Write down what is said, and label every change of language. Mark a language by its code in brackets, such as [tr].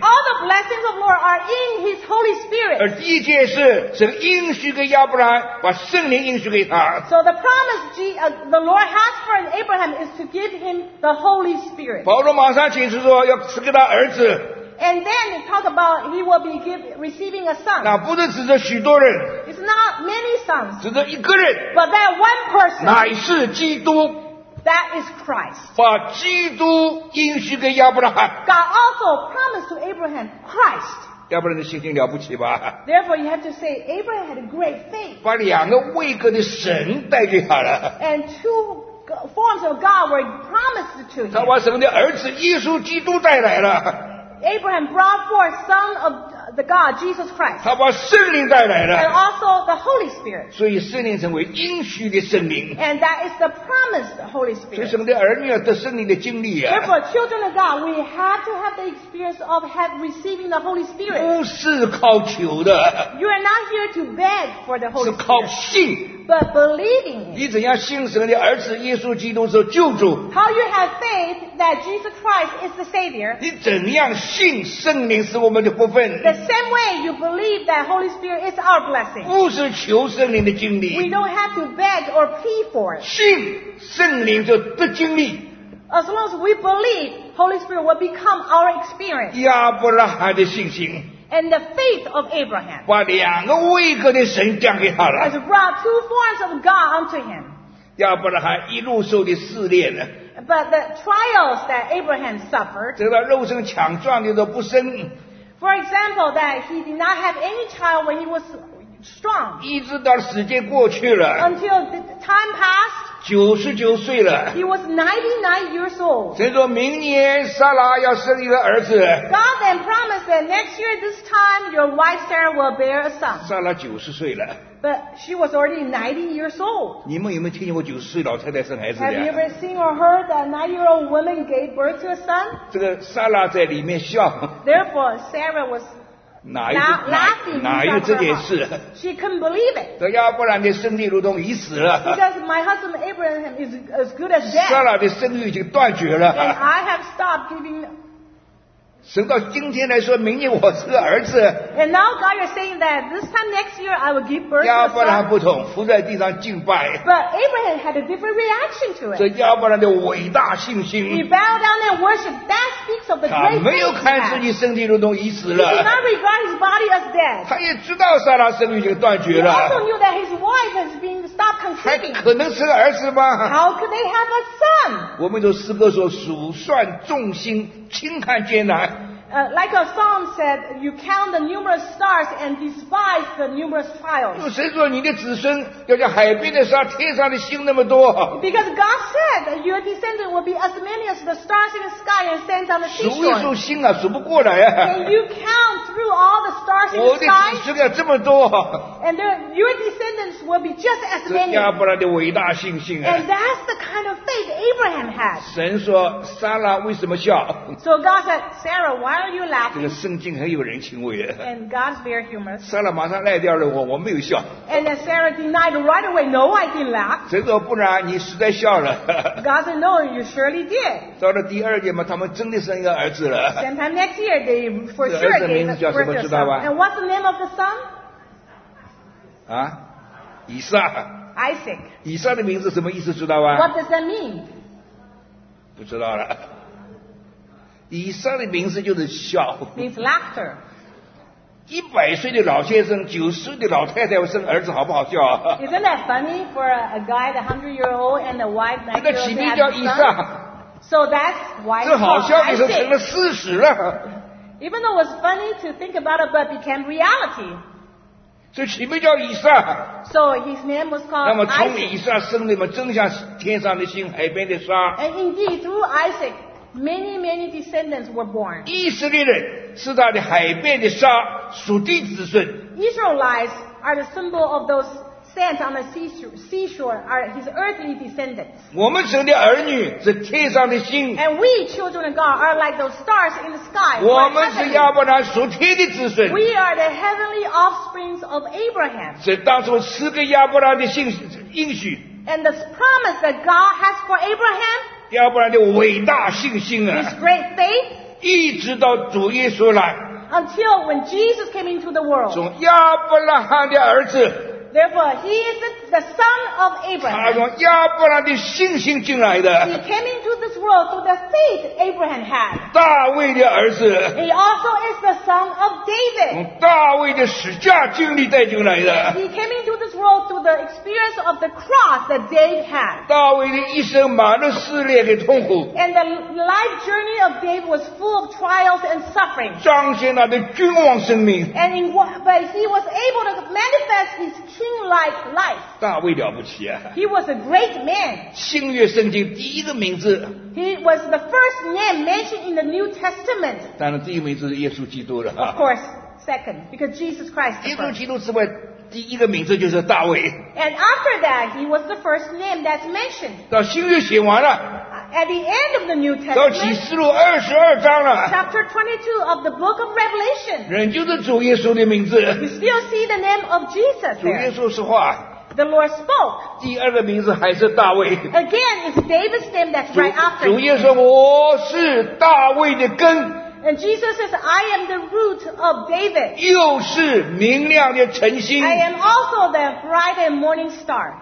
[en] All the blessings of the Lord are in His Holy Spirit. [zh] 而第一件事，神应许给亚伯兰，把圣灵应许给他。 [en] So the promise the Lord has for Abraham is to give him the Holy Spirit. [zh] 保罗马上解释说，要赐给他儿子。 [en] And then talk about he will be receiving a son. [zh] 那不是指着许多人。 [en] It's not many sons. [zh] 指着一个人。 [en] But that one person. [zh] 乃是基督。 [en] That is Christ. [zh] 把基督应许给亚伯拉罕。 [en] God also promised to Abraham Christ. [zh] 亚伯拉罕的信心了不起吧？ [en] Therefore, you have to say Abraham had a great faith. [zh] 把两个位格的神带给他了。 [en] And two forms of God were promised to him. [zh] 他把神的儿子耶稣基督带来了。 [en] Abraham brought forth Son of the God, Jesus Christ. [zh] 他把圣灵带来了。 [en] And also the Holy Spirit. [zh] 所以圣灵成为应许的圣灵。 [en] And that is the promised Holy Spirit. [zh] 所以神的儿女得圣灵的经历啊。 [en] Therefore, children of God, we have to have the experience of receiving the Holy Spirit. [zh] 不是靠求的。 [en] You are not here to beg for the Holy Spirit. [zh] 是靠信。 [en] But believing. [zh] 你怎样信神的儿子耶稣基督是救主。 [en] How you have faith that Jesus Christ is the Savior. [zh] 你怎样信圣灵是我们的福分。 [en] The same way you believe that Holy Spirit is our blessing. [zh] 不是求圣灵的经历。 [en] We don't have to beg or plead for it. [zh] 信圣灵就得经历。 [en] As long as we believe, Holy Spirit will become our experience. [zh] 亚伯拉罕的信心。 [en] And the faith of Abraham. [zh] 把两个位格的神降给他了。 [en] Has brought two forms of God unto him. [zh] 亚伯拉罕一路受的试炼呢。 [en] But the trials that Abraham suffered. [zh] 这个肉身强壮的都不生。 [en] For example, that he did not have any child when he was strong. [zh] 一直到时间过去了。 [en] Until the time passed. [zh] 九十九岁了。 [en] He was 99 years old. [zh] 神说明年撒拉要生一个儿子。 [en] God then promised that next year this time your wife Sarah will bear a son. [zh] 撒拉九十岁了。 [en] But she was already 90 years old. [zh] 你们有没有听见过九十岁老太太生孩子的？ [en] Have you ever seen or heard that 90-year-old woman gave birth to a son? [zh] 这个撒拉在里面笑。 [en] Therefore, Sarah was. [zh] 哪有这件事？ [en] She couldn't believe it. [zh] 要不然的生命如同已死了。 [en] Because my husband Abraham is as good as dead. [zh] 撒拉的生命已经断绝了。 [en] And I have stopped giving. [zh] 神到今天来说，明年我是个儿子。 [en] And now God is saying that this time next year I will give birth. [zh] 亚伯拉罕不同，伏在地上敬拜。 [en] But Abraham had a different reaction to it. [zh] 这亚伯拉罕的伟大信心。 [en] He bowed down and worshipped. That speaks of the great faith. [zh] 他没有看自己身体如同已死了。 [en] He did not regard his body as dead. [zh] 他也知道撒拉生育已经断绝了。 [en] He also knew that his wife has been stopped conceiving. [zh] 还可能是个儿子吗？ [en] How could they have a son? [zh] 我们都诗歌说数算众星。轻看艰难。 [en] Like a psalm said, you count the numerous stars and despise the numerous trials. [zh] 又谁说你的子孙要像海边的沙、天上的星那么多？ [en] Because God said your descendant will be as many as the stars in the sky and sand on the seashore. [zh] 数一数星啊，数不过来啊。 [en] Can you count through all the stars in the sky? [zh] 我的子孙要这么多。 [en] And your descendants will be just as many. [zh] 这亚伯拉罕的伟大信心啊。 [en] And that's the kind of faith Abraham had. [zh] 神说撒拉为什么笑？ [en] So God said, Sarah, why are you laughing? [zh] 这个圣经很有人情味。 [en] And God's very humorous. [zh] 撒拉马上赖掉了我没有笑。 [en] And then Sarah denied right away, no, I didn't laugh. [zh] 神说不然你实在笑了。 [en] God said, no, you surely did. [zh] 到了第二年嘛，他们真的生一个儿子了。 [en] Sometime next year, they for sure gave birth to a son. [zh] 儿子名字叫什么知道吧？ [en] And what's the name of the son? [zh] 啊，以撒。 [en] Isaac. [zh] 以撒的名字什么意思知道吧？ [en] What does that mean? [zh] 不知道了。以撒的名字就是笑 [en] means laughter [zh] 一百岁的老先生九十岁的老太太生儿子好不好笑、啊、 [en] Isn't that funny for a guy the 100 year old and a wife 90 year old [zh] 起名叫以撒 [en] So that's why [zh] 这好笑的时候成了事实了 [en] Even though it was funny to think about it but became reality [zh] 这起名叫以撒 [en] So his name was called Isaac [zh] 那么从以撒生的嘛真像天上的星海边的沙 [en] And indeed through IsaacMany, many descendants were born. [zh] 以色列人是他的海边的沙，属地子孙。 [en] Israelites are the symbol of those sand on the seashore, are his earthly descendants. [zh] 我们神的儿女是天上的星。 [en] And we, children of God, are like those stars in the sky. [zh] 我们是亚伯拉罕属天的子孙。 [en] We are the heavenly offsprings of Abraham. [zh] 是当初赐给亚伯拉罕的信应许。 [en] And the promise that God has for Abraham. [zh] 要不然就伟大信心啊 [en] His great faith [zh] 一直到主耶稣来 [en] Until when Jesus came into the world [zh] 从亚伯拉罕的儿子 [en] Therefore he is the son of Abraham [zh] 他从亚伯拉罕的信心进来的 [en] He came into this world through the faith Abraham had [zh] 大卫的儿子 [en] He also is the son of David [zh] 从大卫的十架经历带进来的 [en] He came into this world through the experience of the cross that David had [zh] 大卫的一生满了试炼和痛苦 [en] And the life journey of David was full of trials and suffering [zh] 彰显他的君王生命 [en] And but he was able to manifest his king-like life [zh] 大卫了不起啊 [en] He was a great man [zh] 新约圣经第一个名字 [en] He was the first name mentioned in the New Testament [zh] 当然第一名字是耶稣基督的 [en] Of course, second, because Jesus Christ [zh] 耶稣基督之外第一个名字就是大卫。 [en] And after that, he was the first name that's mentioned. [zh] 到新约写完了。 [en] At the end of the New Testament. [zh] 到启示录二十二章了。 [en] Chapter 22 of the book of Revelation. [zh] 仍旧是主耶稣的名字。 [en] We still see the name of Jesus. [zh] 主耶稣说话。 [en] The Lord spoke. [zh] 第二个名字还是大卫。 [en] Again, it's David's name that's right after. [zh] 主耶稣说我是大卫的根。 [en] And Jesus says, I am the root of David. [zh] 又是明亮的晨星。 [en] I am also the bright and morning star.